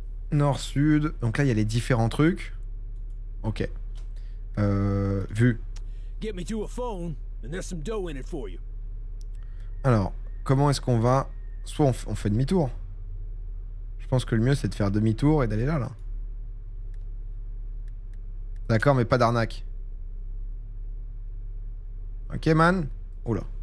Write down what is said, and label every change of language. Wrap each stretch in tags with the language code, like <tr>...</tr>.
<fr>Nord-Sud. Donc là, il y a les différents trucs. Ok. Vu.</fr> <en>Get me to a phone, and there's some dough in it for you.</en> <fr>Alors, comment est-ce qu'on va... Soit on fait demi-tour. Je pense que le mieux, c'est de faire demi-tour et d'aller là, là. D'accord, mais pas d'arnaque.</fr> <en>Ok, man. Oula.</en>